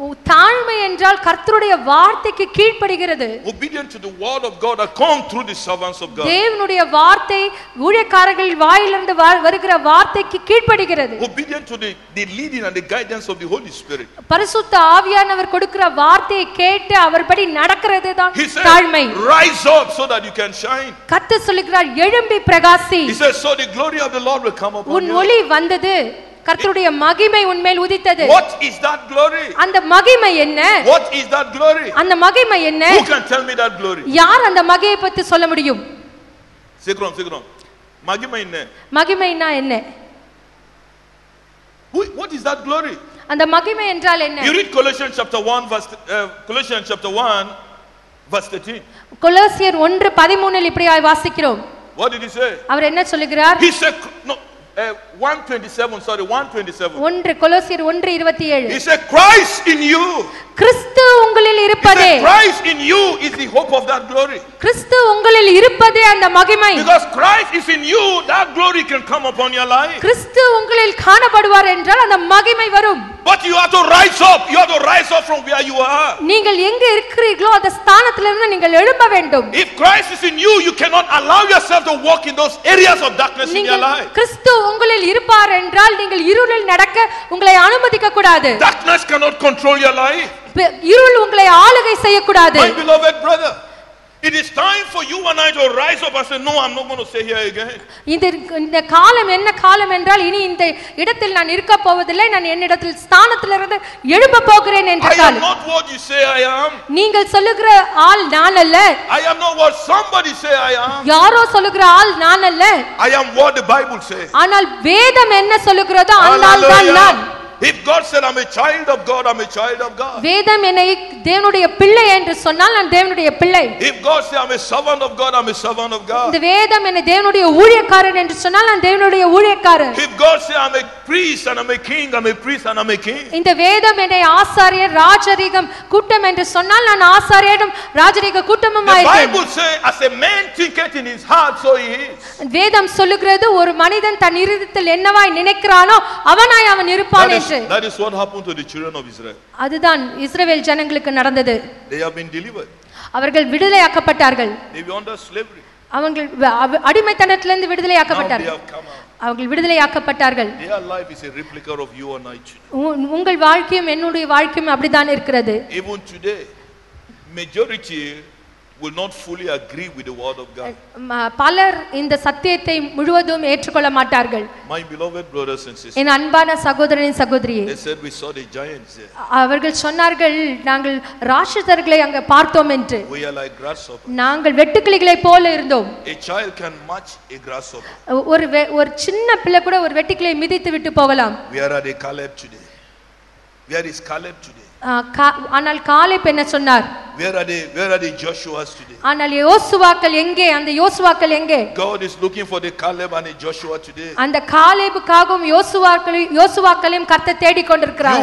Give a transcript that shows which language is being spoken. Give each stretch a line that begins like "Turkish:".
Tamil: தாழ்மை என்றால் கர்த்தருடைய வார்த்தைக்கு கீழ்ப்படுகிறது.
English: Obedience to the word of God that come through the servants of God.
Tamil: தேவனுடைய வார்த்தை ஊழியக்காரர்களின் வாயிலிருந்து வருகிற வார்த்தைக்கு கீழ்ப்படுகிறது.
English: Obedience to the leading and the guidance of the Holy Spirit.
Tamil: பரிசுத்த ஆவியானவர் கொடுக்கிற வார்த்தையை கேட்டு அவர்படி நடக்கிறது தான் தாழ்மை.
English: Up so that you can shine.
Tamil: கர்த்தர் சொல்கிறார், எழும்பி பிரகாசி.
English: He says, so the glory of the Lord will come upon you.
Tamil: உன் ஒளி வந்தது, கர்த்தருடைய மகிமை உன் மேல் உதித்தது.
English: What is that glory?
Tamil: அந்த மகிமை என்ன?
English: What is that glory?
Tamil: அந்த மகிமை என்ன?
English: Who can tell me that glory?
Tamil: யார் அந்த மகிமையை பத்தி சொல்ல முடியும்? சீக்கிரம் சீக்கிரம். மகிமை என்ன? மகிமைனா என்ன?
English: What is that glory?
Tamil: அந்த மகிமை என்றால் என்ன?
English: You read Colossians chapter 1 verse Colossians chapter 1 verse 13.
Tamil: கொலோசியர் 1:13 இல் இப்படி வாசிக்கிறோம்.
English: What did he say?
Tamil: அவர் என்ன சொல்கிறார்?
English: He said no 127
Tamil: 1 கொலோசியர் 1:27
English: He said Christ in you
Tamil: கிறிஸ்து உங்களில் இருப்பதே
English: Christ in you is the hope of that glory
Tamil: கிறிஸ்து உங்களில் இருப்பதே அந்த மகிமை
English: Because Christ is in you that glory can come upon your life
Tamil: கிறிஸ்து உங்களில் காணப்படுவார் என்றால் அந்த மகிமை வரும்
English: But you have to rise up from where you are
Tamil: நீங்கள் எங்க இருக்கிறீர்களோ அந்த ஸ்தானத்திலிருந்து நீங்கள் எழும்ப வேண்டும்
English: If Christ is in you you cannot allow yourself to walk in those areas of darkness in your life
Tamil: கிறிஸ்து உங்களில் இருப்பார் என்றால் நீங்கள் இருளில் நடக்க உங்களை அனுமதிக்க கூடாது
English: Darkness cannot control your life
Tamil: இருள் உங்களை ஆளுகை செய்ய கூடாது
English: My beloved brother It is time for you and I to rise up and say no I'm not going to stay here again.
Tamil: இந்த காலம் என்ன காலம் என்றால் இனி இந்த இடத்தில் நான் இருக்க போவதில்லை நான் என்னிடத்தில் ஸ்தானத்திலிருந்து எழும்ப போகிறேன் என்றால்
English: I am not what you say I am.
Tamil: நீங்கள் சொல்லுகிற ஆள் நான் அல்ல.
English: I am not what somebody say I am.
Tamil: யாரோ சொல்லுகிற ஆள் நான் அல்ல.
English: I am what the Bible says.
Tamil: ஆனால் வேதம் என்ன சொல்லுகிறதோ அதுதான் நான்.
English: If God said I'm a child of God I'm a child of God
Tamil: வேதம் என்னை தேவனுடைய பிள்ளை என்று சொன்னால் நான் தேவனுடைய பிள்ளை
English: If God said I'm a servant of God I'm a servant of God
Tamil: இந்த வேதம் என்னை தேவனுடைய ஊழியக்காரன் என்று சொன்னால் நான் தேவனுடைய ஊழியக்காரன்
English: If God said I'm a priest and I'm a king I'm a priest and I'm a king
Tamil: இந்த வேதம் என்னை ஆசாரியர் ராஜரீகம் கூட்டம் என்று சொன்னால் நான் ஆசாரியரும் ராஜரீக கூட்டமும் ஆயிருப்பேன்
English: The Bible say as a man thinketh in his heart so he is
Tamil: வேதம் சொல்கிறது ஒரு மனிதன் தன் இருதயத்தில் என்னவாய் நினைக்கிறானோ அவனாய் அவன் இருப்பான்
English: That is what happened to the children of Israel.
Tamil: அதுதான் இஸ்ரவேல் ஜனங்களுக்கு நடந்தது.
English: They have been delivered.
Tamil: அவர்கள் விடுதலை ஆக்கப்பட்டார்கள்.
English: They were under slavery.
Tamil: அவர்கள் அடிமைத்தனத்திலிருந்து விடுதலை ஆக்கப்பட்டார்கள்.
English: Now they have come out.
Tamil: அவர்கள் விடுதலை ஆக்கப்பட்டார்கள்.
English: Their life is a replica of you and I.
Tamil: உங்கள் வாழ்க்கையும் என்னுடைய வாழ்க்கையும் அப்படித்தான் இருக்கிறது.
English: Even today majority will not fully agree with the word of God.
Tamil: பலர் இந்த சத்தியத்தை முழுவதும் ஏற்றுக்கொள்ள மாட்டார்கள்.
English: My beloved brothers and sisters.
Tamil: என் அன்பான சகோதரனின் சகோதரியே.
English: They said we saw the giants.
Tamil: அவர்கள் சொன்னார்கள் நாங்கள் ராட்சசர்களை அங்க பார்த்தோம் என்று.
English: We are like grasshoppers.
Tamil: நாங்கள் வெட்டுக்கிளிகளை போல இருந்தோம்.
English: A child can match a grasshopper.
Tamil: ஒரு சின்ன பிள்ளை கூட ஒரு வெட்டுக்கிளியை மிதித்து விட்டு போகலாம்.
English: Where are they Caleb today? Where is Caleb today?
Tamil: ஆனால் காலேப் என்ன சொன்னார்
English: where are the Joshua's today
Tamil: ஆனால் யோசுவாக்கள் எங்கே அந்த யோசுவாக்கள் எங்கே
English: God is looking for the Caleb and the Joshua today
Tamil: அந்த காலேபுக்காகவும் யோசுவாக்களையும் கர்த்தர் தேடிக் கொண்டிருக்கிறார்